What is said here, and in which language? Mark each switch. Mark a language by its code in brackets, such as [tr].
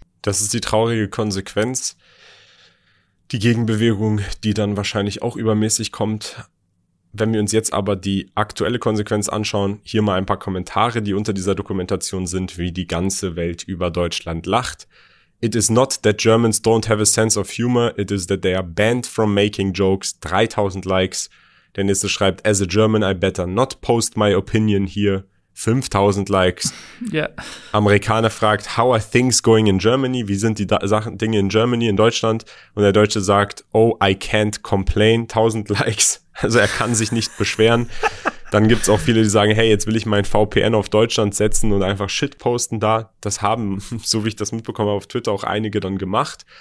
[de] Das ist die traurige Konsequenz. Die Gegenbewegung, die dann wahrscheinlich auch übermäßig kommt. Wenn wir uns jetzt aber die aktuelle Konsequenz anschauen, hier mal ein paar Kommentare, die unter dieser Dokumentation sind, wie die ganze Welt über Deutschland lacht. [en] It is not that Germans don't have a sense of humor, it is that they are banned from making jokes. [de] 3000 Likes. Der nächste schreibt, [en] as a German I better not post my opinion here. [de] 5000 Likes. Ja. Amerikaner fragt, [en] how are things going in Germany? [de] Wie sind die Dinge in Germany, in Deutschland? Und der Deutsche sagt, [en] oh, I can't complain. [de] 1000 Likes. Also er kann sich nicht beschweren. Dann gibt's auch viele, die sagen, hey, jetzt will ich mein VPN auf Deutschland setzen und einfach shit posten da. Das haben, so wie ich das mitbekomme, auf Twitter auch einige dann gemacht.